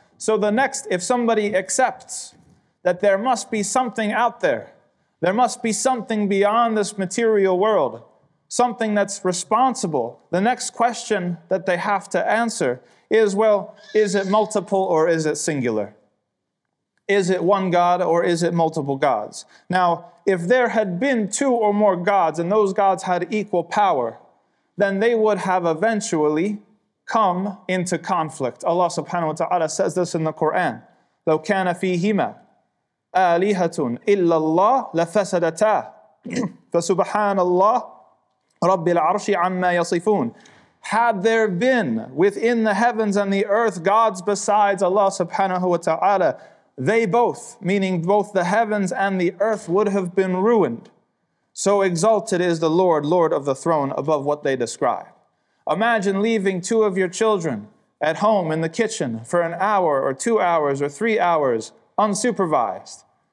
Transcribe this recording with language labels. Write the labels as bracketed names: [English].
[English] So the next, if somebody accepts that there must be something out there, there must be something beyond this material world, something that's responsible, the next question that they have to answer is, well, is it multiple or is it singular? Is it one God or is it multiple gods? Now, if there had been two or more gods and those gods had equal power, then they would have eventually come into conflict. Allah subhanahu wa ta'ala says this in the Quran. [Arabic] لو كان فيهما آلهة إلا الله لفسدتا فسبحان الله رب العرش عما يصفون. [English] Had there been within the heavens and the earth gods besides Allah subhanahu wa ta'ala, they both, meaning both the heavens and the earth, would have been ruined. So exalted is the Lord, Lord of the throne, above what they describe. Imagine leaving two of your children at home in the kitchen for an hour or 2 hours or 3 hours unsupervised.